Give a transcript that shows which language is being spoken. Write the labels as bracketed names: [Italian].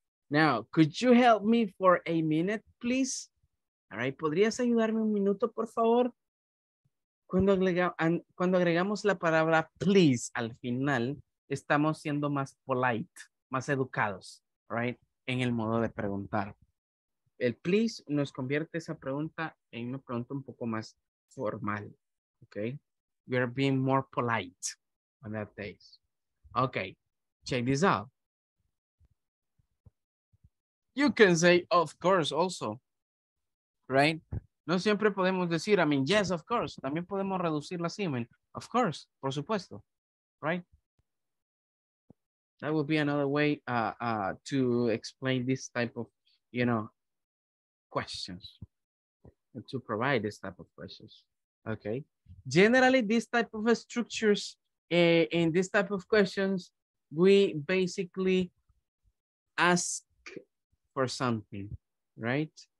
[English] Now, could you help me for a minute, please? [Spanish] All right, ¿podrías ayudarme un minuto, por favor? Cuando agregamos la palabra please al final, estamos siendo más polite, más educados, right? En el modo de preguntar. El please nos convierte esa pregunta en una pregunta un poco más formal, okay? [English] We are being more polite on that day. Okay, check this out. You can say, of course, also, right? [Spanish] No siempre podemos decir, [English] I mean, yes, of course. [Spanish] También podemos reducir la sí, [English] I mean, of course, [Spanish] por supuesto, right? [English] That would be another way to explain this type of, you know, questions, to provide this type of questions, okay? Generally, this type of structures, in this type of questions, we basically ask for something, right?